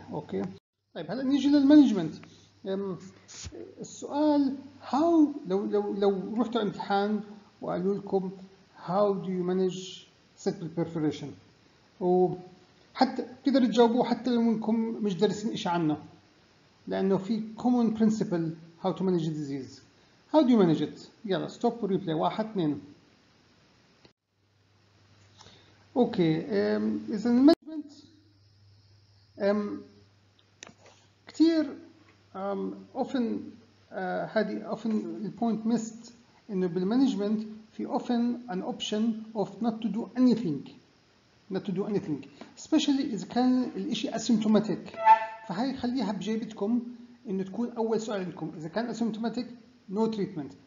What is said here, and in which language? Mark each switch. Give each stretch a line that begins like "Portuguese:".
Arabic: اوكي، طيب هلا نيجي للمانجمنت. السؤال هاو، لو رحتوا امتحان وقالوا لكم
English: how do you manage septal perforation,
Arabic: وحتى تقدروا تجاوبوه حتى لو منكم مش دارسين شيء عنه، لانه في كومون برينسيبل
English: How to manage disease. How do you manage it? يلا stop reply 1 2. Okay,
Arabic: اذا المانجمنت كثير
English: often هذه often the point missed
Arabic: إنه بالمانجمنت في
English: often an option of not to do anything، not to do anything especially
Arabic: إذا كان الإشي
English: asymptomatic.
Arabic: فهاي خليها بجيبتكم إنه تكون أول سؤال عندكم، إذا كان
English: asymptomatic no treatment.